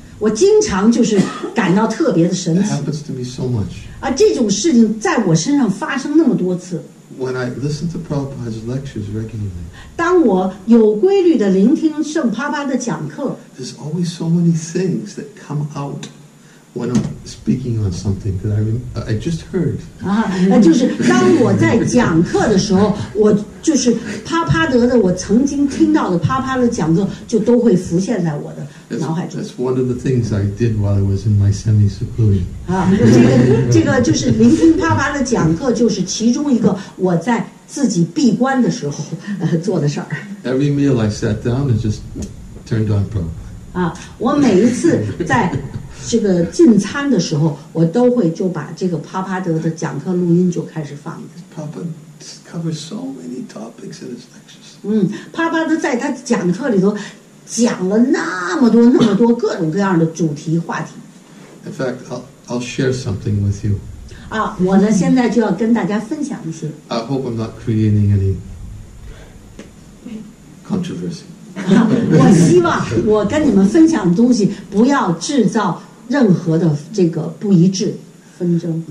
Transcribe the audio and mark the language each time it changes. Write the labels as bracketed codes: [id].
[zh] 我经常就是感到特别的神奇。 [en] It happens to me so much. [zh] 啊，这种事情在我身上发生那么多次。 [en] When I listen to Prabhupada's lectures regularly. [zh] 当我有规律的聆听圣啪啪的讲课。 [en] There's always so many things that come out when I'm speaking on something that I just heard. [zh] 啊，就是当我在讲课的时候，我就是啪啪得的我曾经听到的啪啪的讲课就都会浮现在我的。 [en] That's one of the things I did while I was in my semi-seclusion. [zh] 这个就是聆听啪啪的讲课，就是其中一个我在自己闭关的时候做的事儿。 [en] Every meal I sat down and just turned on Prabhupada. [zh] 啊，我每一次在这个进餐的时候，我都会就把这个帕帕德的讲课录音就开始放着。 [en] Papa covers so many topics in his lectures. [zh] 嗯，帕帕德在他讲课里头讲了那么多那么多各种各样的主题话题。 [en] In fact, I'll share something with you. [zh] 啊，我呢现在就要跟大家分享一些。 [en] I hope I'm not creating any controversy. [zh] 我希望我跟你们分享的东西不要制造任何的这个不一致纷争。